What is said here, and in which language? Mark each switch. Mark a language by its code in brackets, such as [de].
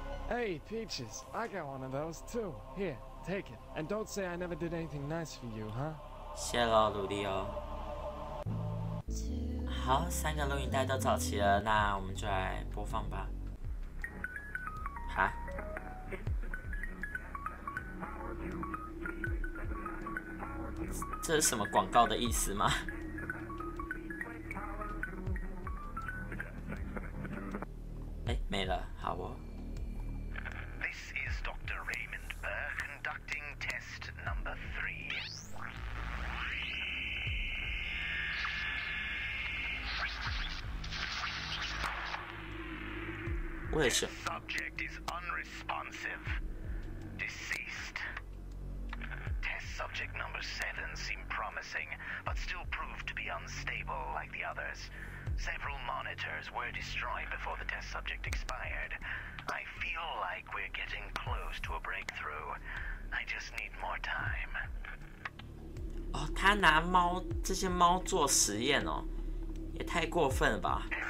[en] Hey, Peaches, I got one of those too. Here, take it. And don't say I never did anything nice for you, huh? [zh] 谢喽，鲁迪哦。好，三个录音带都找齐了，那我们就来播放吧。哈？这是什么广告的意思吗？没了，好不、哦？ [en] This is Dr. Raymond Burr conducting test number 3. Where is subject is unresponsive, deceased. Test subject number 7 seemed promising, but still proved to be unstable like the others. Several monitors were destroyed before the test subject expired. I feel like we're getting close to a breakthrough. I just need more time. [zh] 哦，他拿猫这些猫做实验哦，也太过分了吧！